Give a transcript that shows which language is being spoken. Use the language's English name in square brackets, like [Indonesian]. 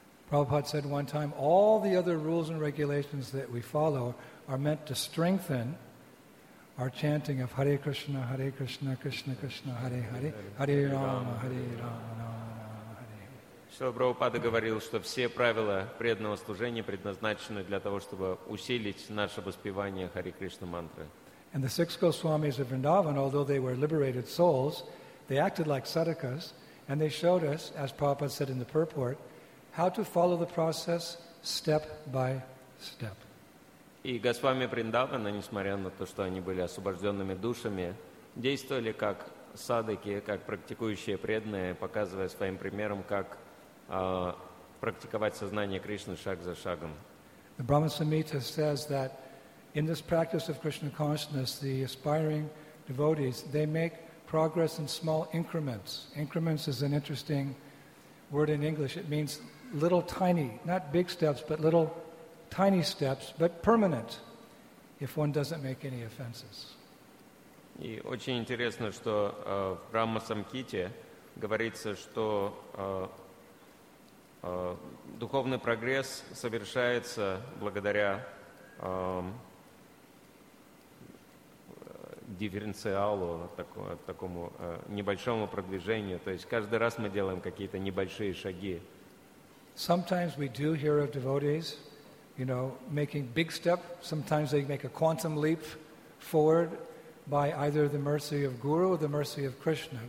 [English] Prabhupada said one time, all the other rules and regulations that we follow are meant to strengthen our chanting of Hare Krishna, Hare Krishna, Krishna Krishna, Hare Hare, Hare Rama, Hare Rama. [Russian] Шрила Прабхупада говорил, что все правила преданного служения предназначены для того, чтобы усилить наше воспевание Хари Кришна мантры. [English] And the six Goswamis of Vrindavan, although they were liberated souls, they acted like sadhakas, and they showed us, as Prabhupada said in the purport, how to follow the process step by step. [Russian] И Госвами Вриндавана, несмотря на то, что они были освобожденными душами, действовали как садыки, как практикующие преданные, показывая своим примером, как практиковать сознание Кришны шаг за шагом. [English] The Brahma Samhita says that in this practice of Krishna consciousness, the aspiring devotees, they make progress in small increments. Increments is an interesting word in English. It means little tiny, not big steps, but little tiny steps, but permanent, if one doesn't make any offenses. [Russian] И очень интересно, что в Брахма Самхите говорится, что духовный прогресс совершается благодаря дифференциалу, такому небольшому продвижению. То есть каждый раз мы делаем какие-то небольшие шаги. [English] Sometimes we do hear of devotees, you know, making big step. Sometimes they make a quantum leap forward by either the mercy of Guru or the mercy of Krishna.